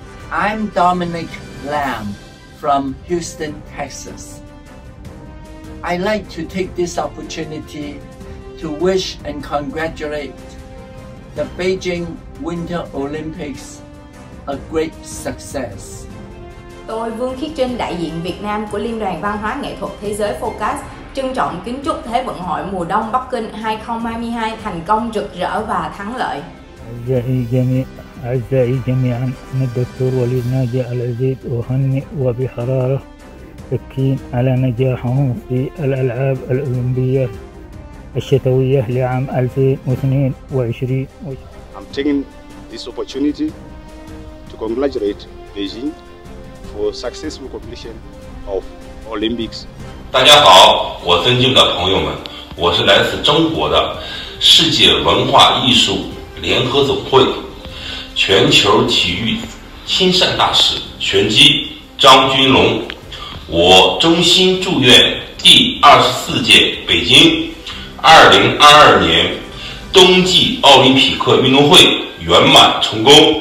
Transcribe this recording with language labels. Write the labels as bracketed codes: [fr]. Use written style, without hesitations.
[en] I'm Dominic Lam from Houston, Texas. I'd like to take this opportunity to wish and congratulate the Beijing Winter Olympics a great success. [vi] Tôi Vương Khiết Trinh, đại diện Việt Nam của Liên đoàn Văn hóa Nghệ thuật Thế giới FOWCAAS, trân trọng kính chúc Thế vận hội mùa đông Bắc Kinh 2022 thành công rực rỡ và thắng lợi. [ar] أعزائي جميعا أنا الدكتور وليد ناجي العزيز أهني وبحرارة التكين على نجاحهم في الألعاب الأولمبية الشتوية لعام 2022. [en] I'm taking this opportunity to congratulate Beijing for successful completion of Olympics. [zh] 大家好，我尊敬的朋友们，我是来自中国的世界文化艺术联合总会全球体育亲善大使拳击张军龙，我衷心祝愿第24届北京2022年冬季奥林匹克运动会圆满成功。